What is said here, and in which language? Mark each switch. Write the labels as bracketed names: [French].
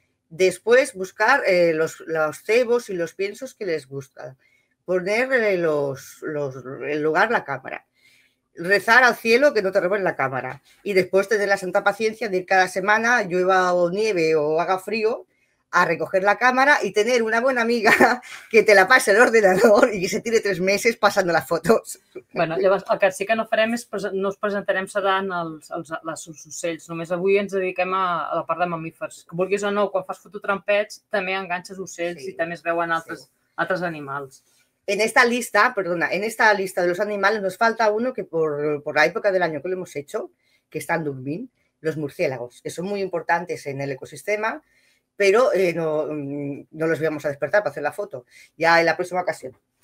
[Spanish] Después buscar los cebos y los piensos que les gustan, ponerle el lugar, la cámara, rezar al cielo que no te roben la cámara y después tener la santa paciencia de ir cada semana, llueva o nieve o haga frío, a recoger la cámara y tener una buena amiga que te la pase al ordenador y que se tire 3 meses pasando las fotos. [Catalan] Bueno, llavors el que sí que no farem és no us presentarem seran els ocells. Només avui ens dediquem a la part de mamífers. Que vulguis o no, quan fas fototrampeig també enganxes ocells, sí, i també es veuen altres animals. [Spanish] En esta lista, perdona, en esta lista de los animales nos falta uno que por la época del año que lo hemos hecho, que están durmiendo, los murciélagos, que son muy importantes en el ecosistema, pero no los íbamos a despertar para hacer la foto, ya en la próxima ocasión.